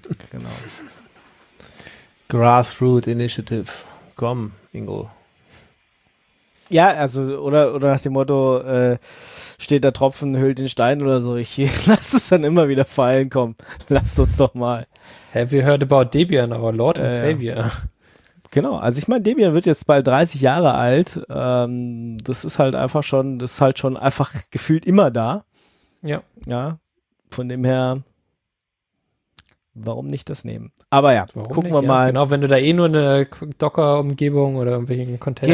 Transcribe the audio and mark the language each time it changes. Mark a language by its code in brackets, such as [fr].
[de] Genau. Grassroot Initiative. Komm, Ingo. Ja, also oder nach dem Motto, steht der Tropfen, hüllt den Stein oder so. Ich lasse es dann immer wieder fallen, komm. Lasst uns doch mal. [en] Have you heard about Debian, our Lord and Savior? [de] Genau, also ich meine, Debian wird jetzt bald 30 Jahre alt. Das ist halt einfach schon, das ist halt schon einfach gefühlt immer da. Ja. Ja, von dem her, warum nicht das nehmen? Aber ja, warum gucken nicht, wir mal. Genau, wenn du da eh nur eine Docker-Umgebung oder irgendwelchen Container